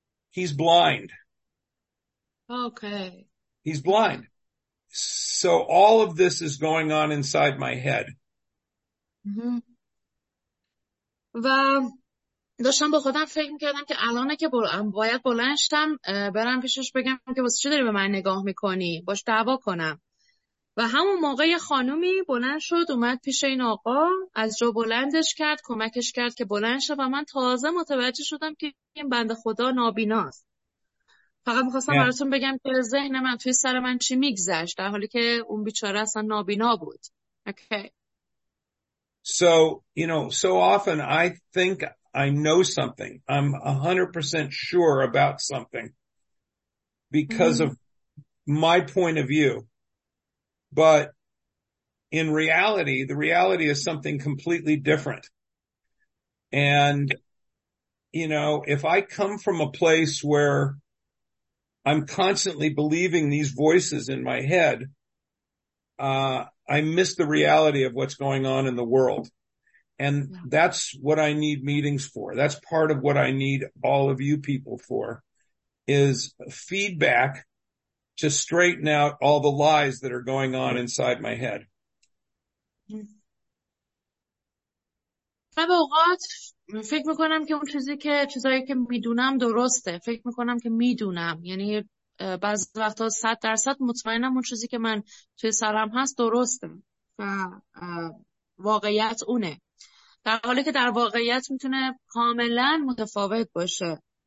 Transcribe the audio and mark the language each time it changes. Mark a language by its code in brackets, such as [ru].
[en] He's blind. Okay. He's blind. So all of this is going on inside my head. Mm-hmm. [fa] و داشتم با خودم فکر میکردم که الانه که باید بلند شدم برم پیشش بگم که واسه چی داری به من نگاه میکنی، باش دعوا کنم. و همون موقع یه خانومی بلند شد، اومد پیش این آقا، از جا بلندش کرد، کمکش کرد که بلند شد، و من تازه متوجه شدم که این بنده خدا نابیناست. فقط می‌خواستم براتون بگم که ذهن من توی سر من چی می‌گذشت در حالی که اون بیچاره اصلا نابینا بود. [en] Okay. So, you know, so often I think I know something. I'm 100% sure about something because of my point of view. But in reality, the reality is something completely different. And, you know, if I come from a place where I'm constantly believing these voices in my head, I miss the reality of what's going on in the world. And that's what I need meetings for. That's part of what I need all of you people for, is feedback to straighten out all the lies that are going on inside my head. [fa] من اوقات فکر میکنم که اون چیزی که چیزایی که میدونم درسته، فکر میکنم که میدونم، یعنی بعض وقتا 100% مطمئنم اون چیزی که من توی سرم هست درسته و واقعیت اونه، در حالی که در واقعیت میتونه کاملا متفاوت باشه.